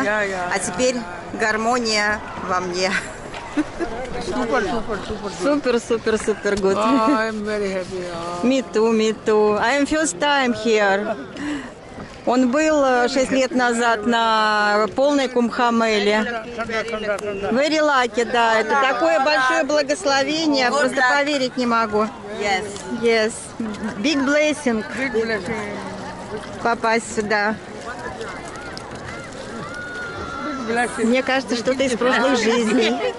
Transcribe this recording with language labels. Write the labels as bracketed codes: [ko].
[ru] А теперь гармония во мне. Супер [en] good. I'm very happy. Me too. I'm first time here. [ru] Он был 6 лет назад на полной Кумхамеле. [en] Very lucky, да. [ru] Это такое большое благословение, я просто поверить не могу. [en] Yes. Big blessing. [ru] Попасть сюда. Мне кажется, что-то из прошлой жизни.